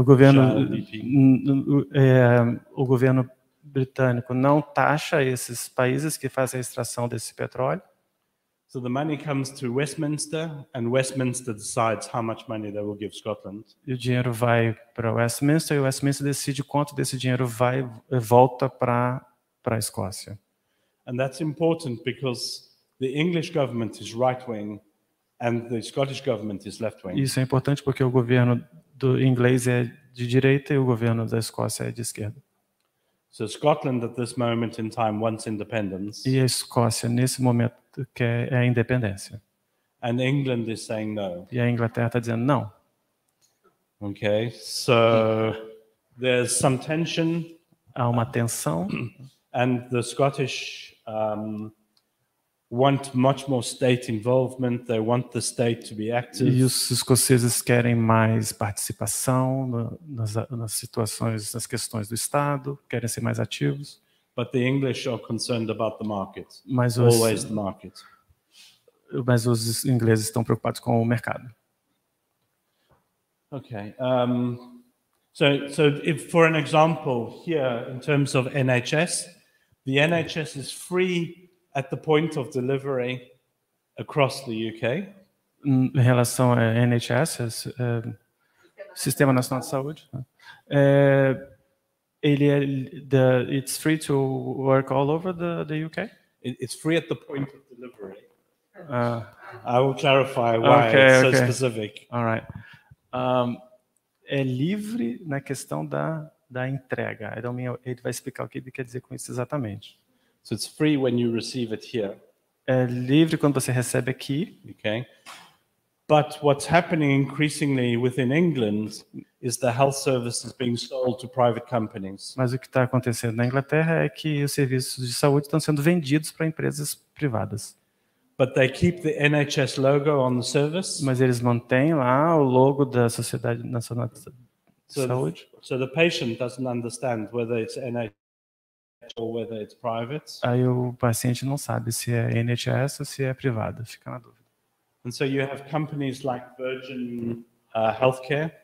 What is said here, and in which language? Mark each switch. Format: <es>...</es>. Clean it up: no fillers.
<pt>O governo o governo britânico não taxa esses países que fazem a extração desse petróleo.</pt> <en>So the money comes to Westminster and Westminster decides how much money they will give Scotland.</en> <pt>E o dinheiro vai para Westminster e Westminster decide quanto desse dinheiro vai volta para a Escócia.</pt> <en>And that's important because the English government is right-wing and the Scottish government is left-wing.</en> <pt>Isso é importante porque o governo do inglês é de direita e o governo da Escócia é de esquerda.</pt> <en>So Scotland at this moment in time wants independence.</en> <pt>E a Escócia nesse momento quer a independência.</pt> <en>And England is saying no.</en> <pt>E a Inglaterra está dizendo não.</pt> <en>Okay. So there's some tension.</en> <pt>Há uma tensão.</pt> <en>And the Scottish want much more state involvement. They want the state to be active.</en> <pt>E os escoceses querem mais participação nas situações, nas questões do Estado. Querem ser mais ativos.</pt> <en>But the English are concerned about the market.</en> <pt>Mas</pt> <en>always the market.</en> <pt>Mas os ingleses estão preocupados com o mercado.</pt> <en>Okay. So if, for an example here in terms of NHS, the NHS is free at the point of delivery across the UK.</en> <pt>Em relação a NHS, Sistema Nacional de Saúde, ele é</pt> <en>it's free to work all over the UK. It's free at the point of delivery. I will clarify why it's so specific. All right.</en> <pt>É livre na questão da entrega.</pt> <en>I don't mean,</en> <pt>ele vai explicar o que ele quer dizer com isso exatamente.</pt> <en>So it's free when you receive it here.</en> <pt>É livre quando você recebe aqui.</pt> <en>Okay. But what's happening increasingly within England is the health services being sold to private companies.</en> <pt>Mas o que está acontecendo na Inglaterra é que os serviços de saúde estão sendo vendidos para empresas privadas.</pt> <en>But they keep the NHS logo on the service.</en> <pt>Mas eles mantêm lá o logo da Sociedade Nacional de Saúde.</pt> <en>So the patient doesn't understand whether it's NHS or whether it's private.</en> <pt>Aí o paciente não sabe se é NHS ou se é privado, fica na dúvida.</pt> <en>And so you have companies like Virgin Healthcare.</en>